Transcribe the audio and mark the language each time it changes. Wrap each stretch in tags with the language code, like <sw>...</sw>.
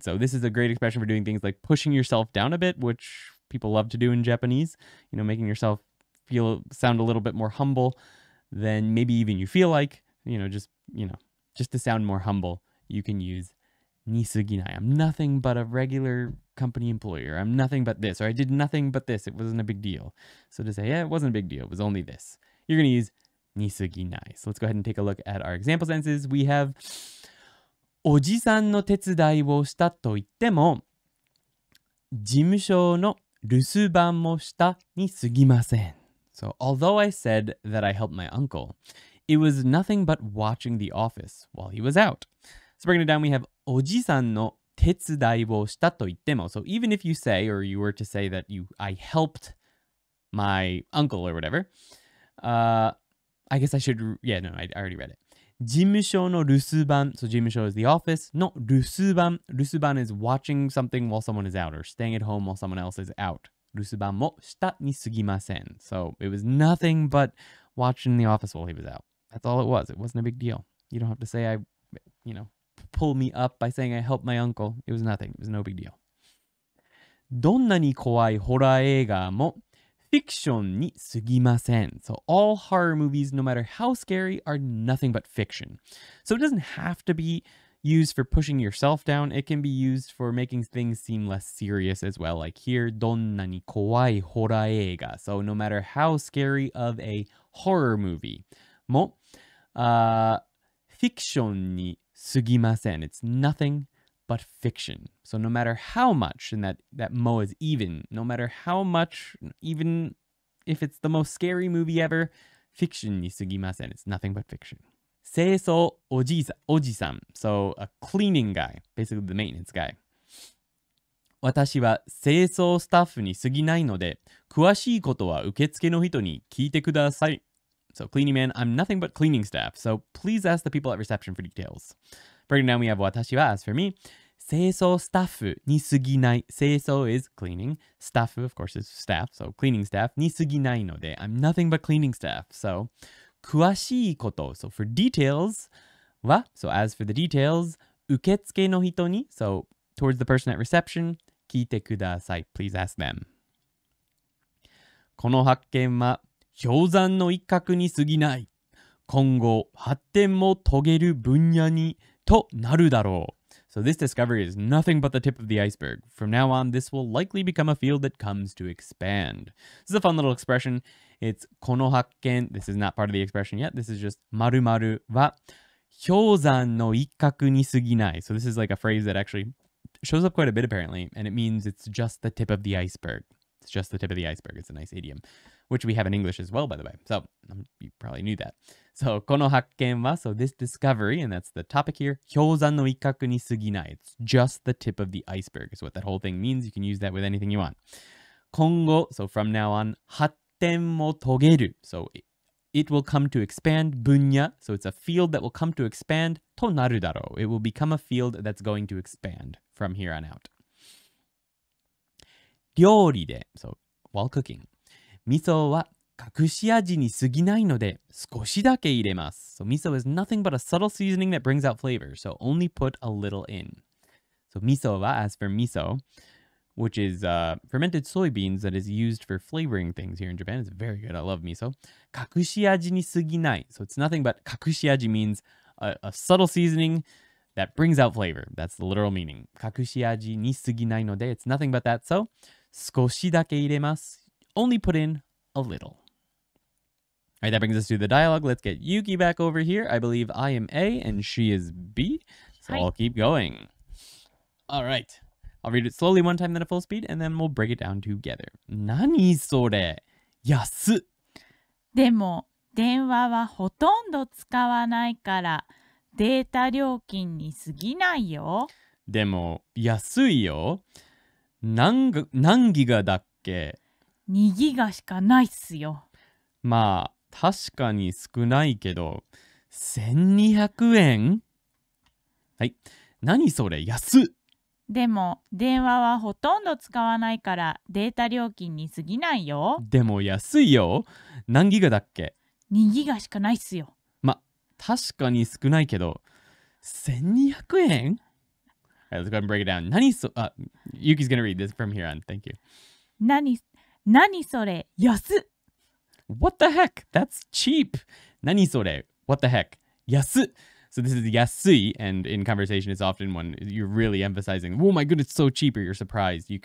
<en>So this is a great expression for doing things like pushing yourself down a bit, which people love to do in Japanese, you know, making yourself feel, sound a little bit more humble than maybe even you feel like, you know, just to sound more humble, you can use</en> <ja>にすぎない.</ja> <en>I'm nothing but a regular company employer. I'm nothing but this, or I did nothing but this. It wasn't a big deal. So to say, yeah, it wasn't a big deal. It was only this. You're going to use</en> <ja>にすぎない.</ja> <en>So let's go ahead and take a look at our example sentences. We have</en> <ja>おじさんの手伝いをしたと言っても事務所の留守番もしたにすぎません.</ja> <en>So although I said that I helped my uncle, it was nothing but watching the office while he was out. So bringing it down, we have</en> <ja>おじさんの手伝いをしたと言っても.</ja> <en>So even if you say, or you were to say that you, I helped my uncle or whatever, I guess I should, yeah, no, I already read it.</en> <ja>事務所の留守番,</ja> <en>so 事務所 is the office,</en> <ja>の留守番, 留守番</ja> <en>is watching something while someone is out, or staying at home while someone else is out.</en> <ja>留守番もしたにすぎません.</ja> <en>So it was nothing but watching the office while he was out. That's all it was. It wasn't a big deal. You don't have to say I, you know, pull me up by saying I helped my uncle. It was nothing. It was no big deal.</en> <ja>どんなに怖いホラー映画もフィクションにすぎません。</ja> <en>So all horror movies, no matter how scary, are nothing but fiction. So it doesn't have to be used for pushing yourself down. It can be used for making things seem less serious as well. Like here,</en> <ja>どんなに怖いホラー映画。</ja> <en>So no matter how scary of a horror movie,</en> <ja>もフィクションにすぎません。</ja> <en>It's nothing but fiction. So no matter how much, and that mo is even, no matter how much, even if it's the most scary movie ever, fiction</en> <ja>にすぎません.</ja> <en>It's nothing but fiction.</en> <ja>清掃おじさん.</ja> <en>So a cleaning guy, basically the maintenance guy.</en> <ja>私は清掃スタッフにすぎないので、詳しいことは受付の人に聞いてください。</ja> <en>So cleaning man, I'm nothing but cleaning staff. So please ask the people at reception for details. Breaking down, we have</en> <ja>私は,</ja> <en>as for me,</en> <ja>清掃スタッフにすぎない。</ja> <en>清掃 is cleaning. Staff, of course, is staff. So cleaning staff</en> <ja>にすぎないので,</ja> <en>I'm nothing but cleaning staff. So</en> <ja>詳しいこと。</ja> <en>So for details</en> <ja>は,</ja> <en>so as for the details,</en> <ja>受付の人に,</ja> <en>so towards the person at reception,</en> <ja>聞いてください。</ja> <en>Please ask them.</en> <ja>この発見は氷山の一角にすぎない。今後発展も遂げる分野にとなるだろう。</ja> <en>So this discovery is nothing but the tip of the iceberg. From now on, this will likely become a field that comes to expand. This is a fun little expression. It's この発見. This is not part of the expression yet. This is just</en> <ja>〇〇は氷山の一角にすぎない.</ja> <en>So this is like a phrase that actually shows up quite a bit apparently, and it means it's just the tip of the iceberg. It's just the tip of the iceberg. It's a nice idiom. Which we have in English as well, by the way. So, you probably knew that. So,</en> <ja>この発見は,</ja> <en>so this discovery, and that's the topic here,</en> <ja>氷山の一角にすぎない.</ja> <en>It's just the tip of the iceberg, is what that whole thing means. You can use that with anything you want.</en> <ja>今後,</ja> <en>so from now on,</en> <ja>発展も遂げる.</ja> <en>So, it will come to expand,</en> <ja>分野,</ja> <en>so it's a field that will come to expand,</en> <ja>となるだろう.</ja> <en>It will become a field that's going to expand from here on out.</en> <ja>料理で,</ja> <en>so while cooking.</en> <ja>味噌は隠し味にすぎないので少しだけ入れます。</ja> <en>So, 味噌 is nothing but a subtle seasoning that brings out flavor. So, only put a little in. So,</en> <ja>味噌は,</ja> <en>as for 味噌, which is fermented soybeans that is used for flavoring things here in Japan. It's very good. I love 味噌.</en> <ja>隠し味にすぎない。</ja> <en>So, it's nothing but 隠し味 means a subtle seasoning that brings out flavor. That's the literal meaning.</en> <ja>隠し味にすぎないので</ja> <en>it's nothing but that. So,</en> <ja>少しだけ入れます。</ja> <en>Only put in a little. All right, that brings us to the dialogue. Let's get Yuki back over here. I believe I am A and she is B. So Hi. I'll keep going. All right. I'll read it slowly one time, then at full speed, and then we'll break it down together.</en> <ja>何それ?安っ。でも電話はほとんど使わないからデータ料金に過ぎないよ。でも安いよ。何ギガだっけ? 2ギガしかないっすよ。まあ、確かに少ないけど、1200円? はい。何それ、安っ。でも電話はほとんど使わないからデータ料金に過ぎないよ。でも安いよ。何ギガだっけ？ 2ギガしかないっすよ。ま、確かに少ないけど、1200円？</ja> <en>Alright, let's go ahead and break it down.</en> <ja>何そ、</ja> <en>Yuki's gonna read this from here on. Thank you.</en> <ja>何それ安っ。</ja> <en>What the heck? That's cheap.</en> <ja>何それ</ja> <en>What the heck?</en> <ja>安っ。</ja> <en>So this is yasui, and in conversation it's often when you're really emphasizing, oh my goodness, it's so cheap, or you're surprised.</en>